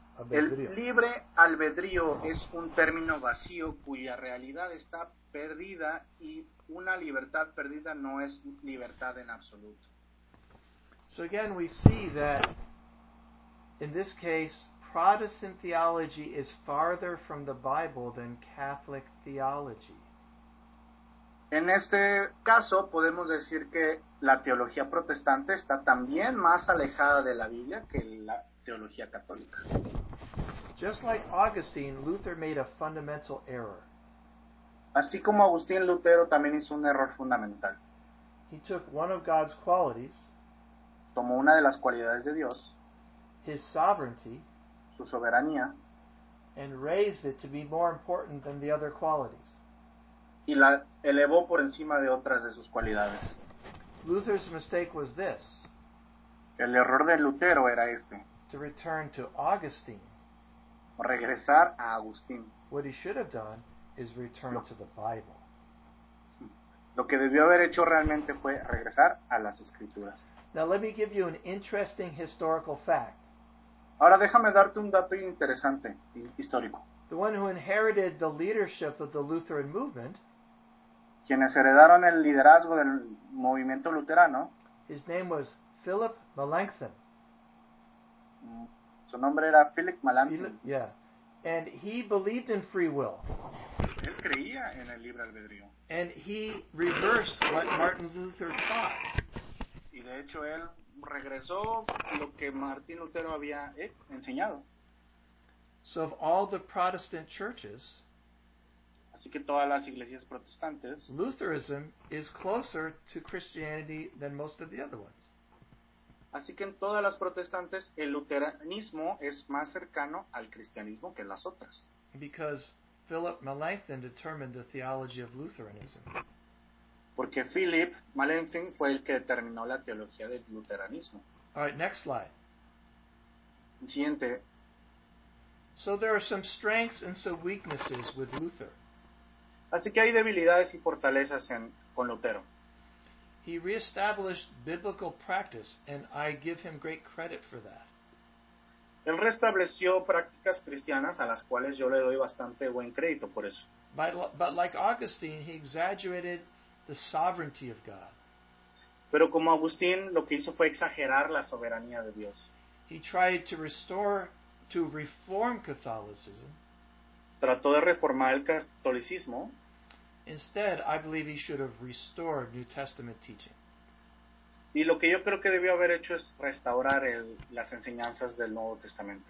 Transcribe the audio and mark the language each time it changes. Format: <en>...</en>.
<es>El libre albedrío es un término vacío cuya realidad está perdida y una libertad perdida no es libertad en absoluto.</es> <en>So again, we see that in this case, Protestant theology is farther from the Bible than Catholic theology.</en> <es>En este caso, podemos decir que la teología protestante está también más alejada de la Biblia que la teología católica.</es> <en>Just like Augustine, Luther made a fundamental error.</en> <es>Así como Agustín, Lutero también hizo un error fundamental.</es> <en>He took one of God's qualities,</en> <es>tomó una de las cualidades de Dios,</es> <en>his sovereignty,</en> <es>su soberanía,</es> <en>and raised it to be more important than the other qualities.</en> <es>Y la elevó por encima de otras de sus cualidades.</es> <en>Luther's mistake was this.</en> <es>El error de Lutero era este.</es> <en>To return to Augustine.</en> <es>Regresar a Agustín.</es> <en>What he should have done is return to the Bible.</en> <es>Lo que debió haber hecho realmente fue regresar a las Escrituras.</es> <en>Now let me give you an interesting historical fact.</en> <es>Ahora déjame darte un dato interesante, histórico.</es> <en>The one who inherited the leadership of the Lutheran movement,</en> <es>quienes heredaron el liderazgo del movimiento luterano,</es> <en>his name was Philip Melanchthon.</en> <es>Su nombre era Philip Melanchthon.</es> <en>Yeah. And he believed in free will.</en> <es>Él creía en el libre albedrío.</es> <en>And he reversed what Martin Luther taught.</en> <es>Y de hecho él regresó lo que Martín Lutero había enseñado.</es> <en>So of all the Protestant churches,</en> <es>así que todas las iglesias protestantes,</es> <en>Lutherism is closer to Christianity than most of the other ones.</en> <es>Así que en todas las protestantes, el luteranismo es más cercano al cristianismo que las otras.</es> <en>Because Philip Melanchthon determined the theology of Lutheranism.</en> <es>Porque Philip Melanchthon fue el que determinó la teología del luteranismo.</es> <en>All right, next slide.</en> <es>Siguiente.</es> <en>So there are some strengths and some weaknesses with Luther.</en> <es>Así que hay debilidades y fortalezas con Lutero.</es> <en>He reestablished biblical practice, and I give him great credit for that.</en> <es>Él restableció prácticas cristianas a las cuales yo le doy bastante buen crédito por eso.</es> <en>But like Augustine, he exaggerated the sovereignty of God.</en> <es>Pero como Agustín, lo que hizo fue exagerar la soberanía de Dios.</es> <en>He tried to reform Catholicism.</en> <es>trató de reformar el catolicismo.</es> <en>Instead, I believe he should have restored New Testament teaching.</en> <es>Y lo que yo creo que debió haber hecho es restaurar las enseñanzas del Nuevo Testamento.</es>